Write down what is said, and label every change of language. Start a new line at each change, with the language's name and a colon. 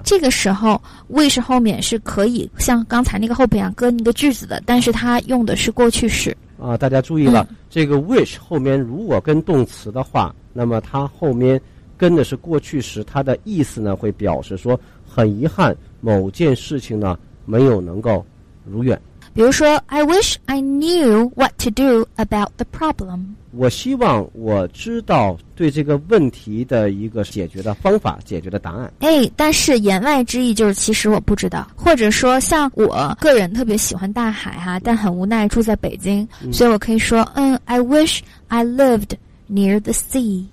Chinese: 这个时候 wish 后面是可以像刚才那个 hope 一样跟一个句子的，但是它用的是过去式啊。大家注意了，这个 wish 后面如果跟动词的话，那么它后面跟的是过去时，它的意思呢会表示说很遗憾某件事情呢没有能够如愿。比如说
English: I wish I knew what to do about the problem，
Chinese: 我希望我知道对这个问题的一个解决的方法，解决的答案。哎，但是言外之意就是其实我不知道。或者说像我个人特别喜欢大海哈，但很无奈住在北京，所以我可以说
English: I wish I lived near the sea。